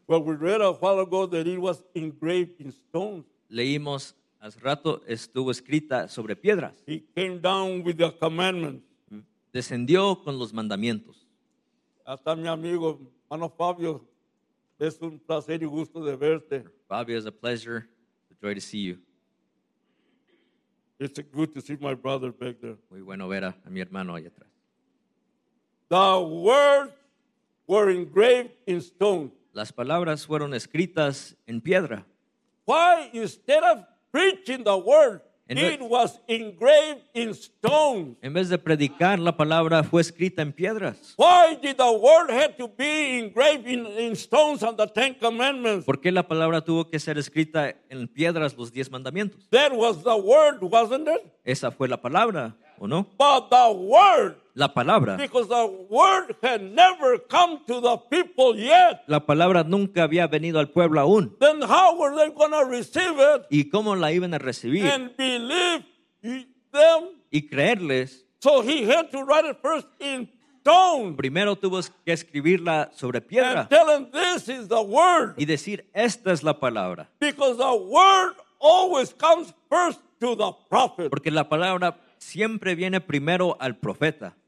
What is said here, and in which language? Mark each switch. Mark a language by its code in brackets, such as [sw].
[en] Well, we read a while ago that it was engraved in stone. [es] Leímos hace rato estuvo escrita sobre piedras. [en] He came down with the commandment. [es] Descendió con los mandamientos. Hasta mi amigo, hermano Fabio, es un placer y gusto de verte. [en] Fabio, it's a pleasure, a joy to see you. It's good to see my brother back there. [es] Muy bueno ver a mi hermano allá atrás. [en] The words were engraved in stone. [es] Las palabras fueron escritas en piedra. [en] Why, instead of preaching the word, it was engraved in stones. [es] En vez de predicar, la palabra fue escrita en piedras. [en] Why did the word have to be engraved in stones on the Ten Commandments? [es] ¿Por qué la palabra tuvo que ser escrita en piedras los diez mandamientos? [en] That was the word, wasn't it? [es] Esa fue la palabra, ¿o no? [en] But the word. [es] La palabra. [en] Because the word had never come to the people yet. [es] La palabra nunca había venido al pueblo aún. [en] Then how were they going to receive it? [es] ¿Y cómo la iban a recibir? [en] And believe them. [es] Y creerles. [en] So he had to write it first in stone. [es] Primero tuvo que escribirla sobre piedra. [en] And tell them this is the word. [es] Y decir esta es la palabra. [en] Because the word always comes first to the prophet. [es] Porque la palabra siempre viene primero al profeta.